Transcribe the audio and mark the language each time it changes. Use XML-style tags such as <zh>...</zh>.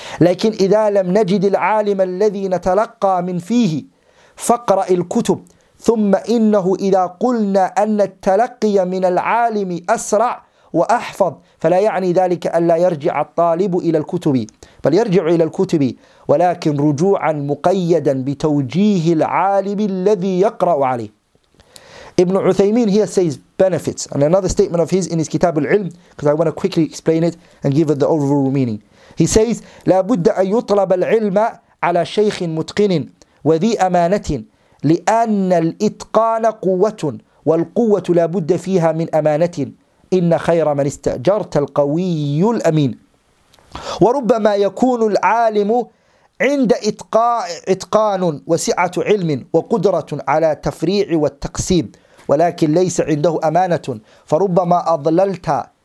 <ar>لكن إذا لم نجد العالم الذي نتلقى من فيه فقرأ الكتب ثم إنه إذا قلنا أن التلقي من العالم أسرع وأحفظ فلا يعني ذلك أن لا يرجع الطالب إلى الكتب بل يرجع إلى الكتب ولكن رجوعا مقيدا بتوجيه العالم الذي يقرأ عليه.</ar> <en>Ibn Uthaymeen here says benefits, and another statement of his in his Kitab al-Ilm, because I want to quickly explain it and give it the overall meaning. He says,</en> <ar>لا بد أن يطلب العلم على شيخ متقن وذي أمانة لأن الإتقان قوة والقوة لا بد فيها من أمانة إن خير من استأجرت القوي الأمين وربما يكون العالم عند إتقان وسعة علم وقدرة على تفريع والتقسيم ولكن ليس عنده أمانة فربما أضللت</ar>